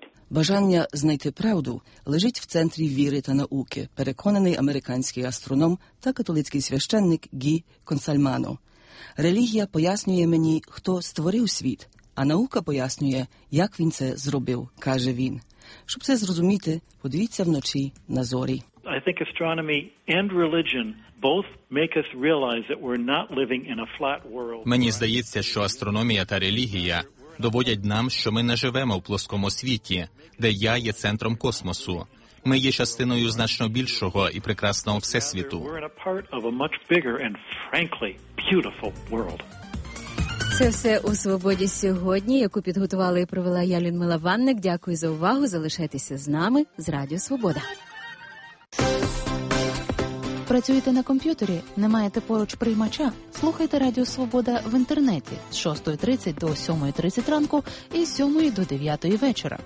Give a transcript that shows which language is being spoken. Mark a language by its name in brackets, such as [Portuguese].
[Ukrainian] Бажання знайти правду лежить в центрі віри та науки, переконаний американський астроном та католицький священник Гі Консальмано. Релігія пояснює мені, хто створив світ, а наука пояснює, як він це зробив, каже він. Щоб це зрозуміти, подивіться вночі на зорі. [English] I think astronomy and religion both make us realize that we're not living in a flat world. [Ukrainian] Мені здається, що астрономія та релігія доводять нам, що ми не живемо в плоскому світі, де я є центром космосу. Ми є частиною значно більшого і прекрасного Всесвіту. [English] We're in a part of a much bigger and frankly beautiful world. [Ukrainian] Це все у «Свободі сьогодні», яку підготувала і провела я, Людмила Ванник. Дякую за увагу. Залишайтеся з нами з Радіо Свобода. Працюєте на комп'ютері? Не маєте поруч приймача? Слухайте Радіо Свобода в інтернеті з 6:30 до 7:30 ранку і з 7 до 9 вечора.